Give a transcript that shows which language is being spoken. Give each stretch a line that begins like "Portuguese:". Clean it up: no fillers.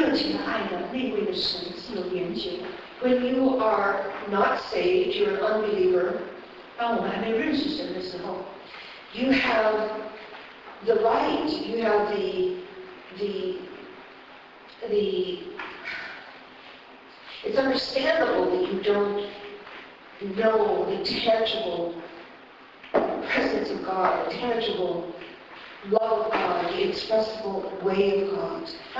Chinese: 我们知道呢，我们是跟一位对我们有急切、深、热情的爱的那位的神是有连接的。
English: When you are not saved, you're an unbeliever.
Chinese: 当我们还没认识神的时候，
English: you have the right, you have the it's understandable that you don't know the tangible presence of God, the tangible love of God, the expressible way of God.